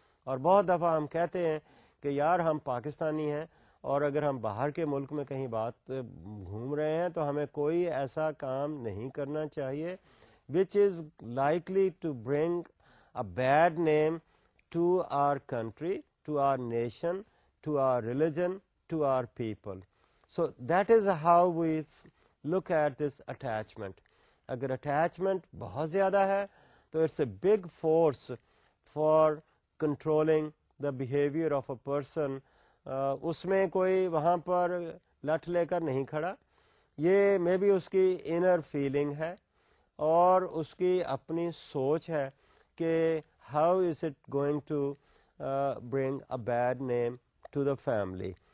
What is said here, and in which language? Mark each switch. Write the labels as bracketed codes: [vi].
[ur] اور بہت دفعہ ہم کہتے ہیں کہ یار ہم پاکستانی ہیں اور اگر ہم باہر کے ملک میں کہیں بات گھوم رہے ہیں تو ہمیں کوئی ایسا کام نہیں کرنا چاہیے [en] Which is likely to bring a bad name to our country, to our nation, to our religion, to our people. So that is how we look at this attachment. [ur] اگر اٹیچمنٹ بہت زیادہ ہے تو [en] It's a big force for controlling the behaviour of a person. [ur] اس میں کوئی وہاں پر لٹھ لے کر نہیں کھڑا, یہ [en] may be [ur] اس کی انر فیلنگ ہے اور اس کی اپنی سوچ ہے کہ [en] How is it going to bring a bad name to the family.